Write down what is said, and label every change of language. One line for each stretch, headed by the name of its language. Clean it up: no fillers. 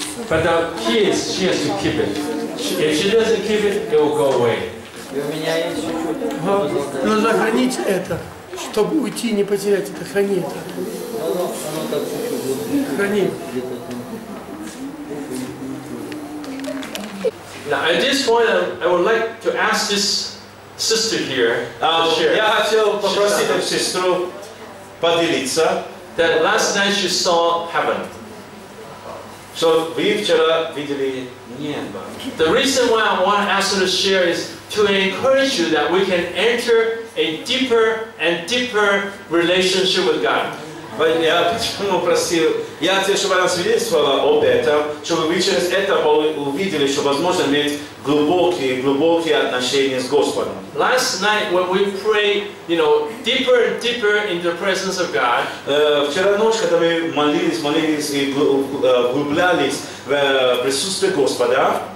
English: But the key is she has to keep it. If she doesn't keep it, it will go away.
Russian: Нужно хранить это, чтобы уйти и не потерять это. Храни это. Храни.
English: Now, at this point, I would like to ask this sister here to share.
Russian: Я хотел попросить эту сестру поделиться,
English: that last night she saw heaven.
Russian: So вы вчера видели небо.
English: The reason why I want to ask her to share is to encourage you that we can enter a deeper and deeper relationship with God.
Russian: Я почему просил? Я хотел, чтобы она свидетельствовала об этом, чтобы вы через это увидели, что возможно иметь глубокие, глубокие отношения с Господом.
English: Last night when we pray, you know, deeper and deeper in the presence of God.
Russian: Вчера ночью, когда мы молились и углублялись в присутствие Господа.